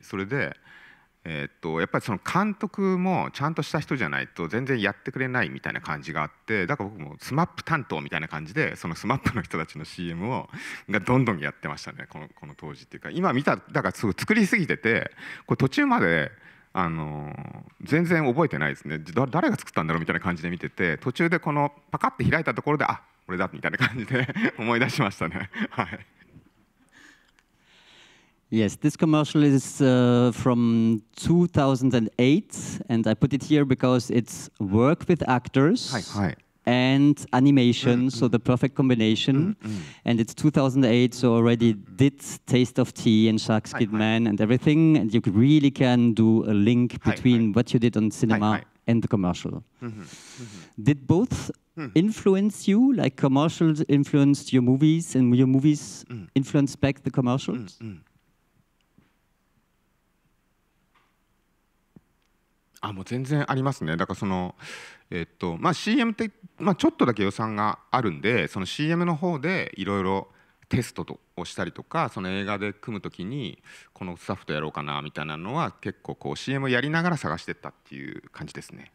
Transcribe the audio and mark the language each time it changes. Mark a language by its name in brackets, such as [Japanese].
[Japanese] それでやっぱりその監督もちゃんとした人じゃないと全然やってくれないみたいな感じがあって、だから僕もスマップ担当みたいな感じでそのスマップの人たちの CM をがどんどんやってましたね、この当時っていうか。今見ただからすごい作りすぎてて、これ途中まで全然覚えてないですね、誰が作ったんだろうみたいな感じで見てて、途中でこのパカッて開いたところで、あ、俺だみたいな感じで思い出しましたね、はい。 [English] Yes, this commercial is from 2008, and I put it here because it's work with actors. [Japanese] はい、はい、 [English] and animation, mm-hmm. so the perfect combination. Mm-hmm. And it's 2008, so already mm-hmm. did Taste of Tea and Shark Skid Man and everything. And you really can do a link between what you did on cinema and the commercial. Mm-hmm. Mm-hmm. Did both influence you, like commercials influenced your movies and your movies influenced back the commercials? [Japanese] あ、もう全然ありますね。だからその、まあ、CM って、まあ、ちょっとだけ予算があるんで、その CM の方でいろいろテストをしたりとか、その映画で組むときにこのスタッフとやろうかなみたいなのは結構こう CM をやりながら探してったっていう感じですね。